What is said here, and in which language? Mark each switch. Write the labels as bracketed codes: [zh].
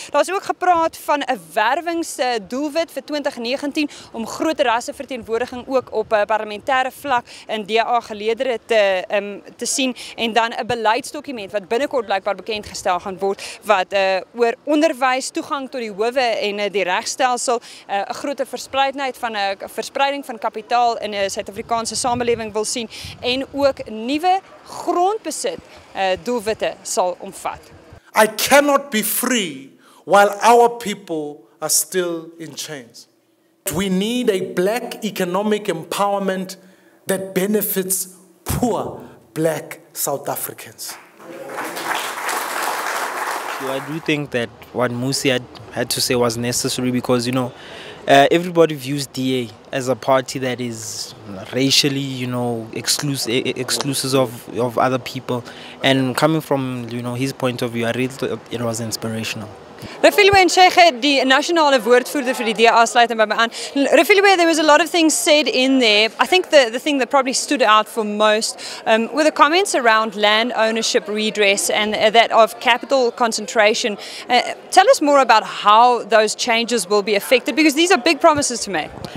[af] Daar is ook gepraat van 'n werwingsdoelwit vir 2019 om groter rasseverteenwoordiging ook op 'n parlementêre vlak in DA-geleedere te sien, en dan 'n beleidsdokument wat binnekort blykbaar bekend gestel gaan word wat oor onderwys, toegang tot die howe en die regstelsel 'n groter verspreiding van kapitaal in 'n Suid-Afrikaanse samelewing wil sien, en ook nuwe grondbesit doelwitte sal omvat. [en] I cannot be free while our people are still in chains. We need a black economic empowerment that benefits poor black South Africans. So I do think that what Mmusi had to say was necessary, because you know, everybody views DA as a party that is racially, you know, exclusive of other people. And coming from, you know, his point of view, I really thought it was inspirational. [af] Refilwe en Shege, die nasionale woordvoerder vir die DA, sluit by my aan. [en] Refilwe, there was a lot of things said in there. I think the thing that probably stood out for most were the comments around land ownership redress and that of capital concentration. Tell us more about how those changes will be affected, because these are big promises to make.